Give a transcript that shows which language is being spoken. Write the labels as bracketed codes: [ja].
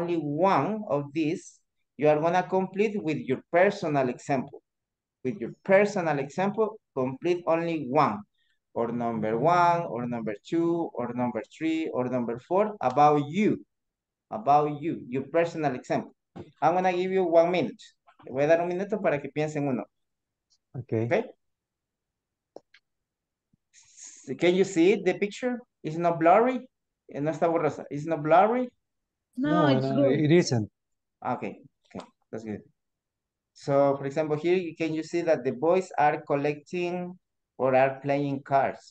[en] Using only one of these, you are gonna complete with your personal example. With your personal example, complete only one, or number one, or number two, or number three, or number four, about you, your personal example. I'm gonna give you 1 minute. [es] Le voy a dar un minuto para que piensen uno. [en] Okay. Can you see the picture? It's not blurry. [es] No está borrosa. [en] It's not blurry? No, it isn't. Okay, okay, that's good. So, for example, here, can you see that the boys are collecting or are playing cards?